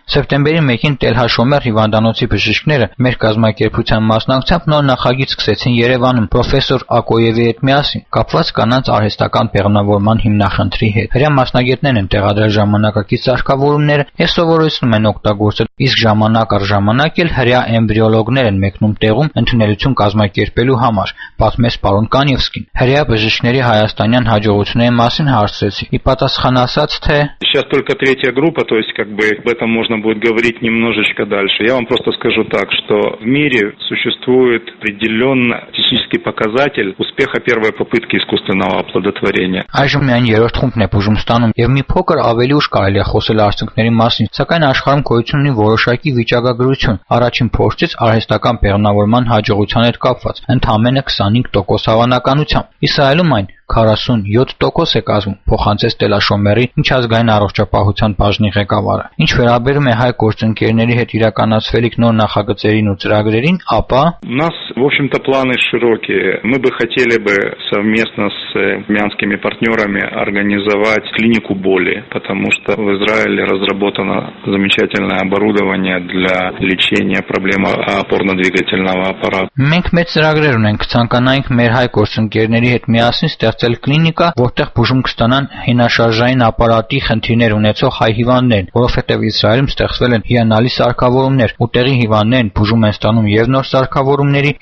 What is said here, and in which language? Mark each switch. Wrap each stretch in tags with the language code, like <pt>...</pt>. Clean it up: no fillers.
<hy>Սեպտեմբերի 1-ին Տելա Շամեր հիվանդանոցի բժիշկները մեր կազմակերպության մասնակցությամբ նոր նախագիծ սկսեցին Երևանում պրոֆեսոր Ակոևի հետ միասին, կապված կանանց արհեստական պեղնավորման հիմնախնդրի հետ։ Հրեա մասնագետներն են տեղադրել ժամանակակից սարքավորումները, ես սովորեցնում են օգտագործել, իսկ ժամանակ առ ժամանակ էլ հրեա էմբրիոլոգներ են մեկնում տեղում ընդունելություն կազմակերպելու համար, պատմեց պարոն Կանյևսկին։ Հրեա բժիշկների հայաստանյան հաջողությունների մասին հարցրեցի, ի պատասխան ասաց, թե</hy> <ru>сейчас только третья группа, то есть как бы об этом можно будет говорить немножечко дальше. Я вам просто скажу так, что в мире существует определённо статистический показатель успеха первой попытки искусственного оплодотворения.</ru> <hy>Այժմ միայն երրորդ խումբն է բուժում ստանում, և մի փոքր ավելի ուշ կարելի է խոսել արդյունքների մասին, սակայն աշխարհում գոյություն ունի որոշակի վիճակագրություն, առաջին փորձից արհեստական պեղնավորման հաջողության հետ կապված, ընդամենը 25% հավանականությամբ։ Իսրայելում այն 47% է կազմում, փոխանցեց Տելաշոմերի միջազգային առողջապահության բաժնի ղեկավարը։ Ինչ վերաբերում է հայ գործընկերների հետ իրականացվելիք նոր նախագծերին ու ծրագրերին, ապա</hy> <ru>нас, в общем-то, планы широкие. Мы бы хотели бы совместно с мьянскими партнерами организовать клинику боли, потому что в Израиле разработано замечательное оборудование для лечения проблемы опорно-двигательного аппарата.</ru> <hy>Մենք մեծ ծրագրեր ունենք, ցանկանայինք մեր հայ գործընկերների հետ միասին ստեղծել կլինիկա, որտեղ բուժում կստանան հինաշարժային ապարատի խնդիրներ ունեցող հայ հիվանդներ, որովհետև Իսրայելում ստեղծվել են հիանալի սարքավորումներ, ու տեղի հիվանդներն բուժում են ստանում և նոր սարքավորումների,</hy>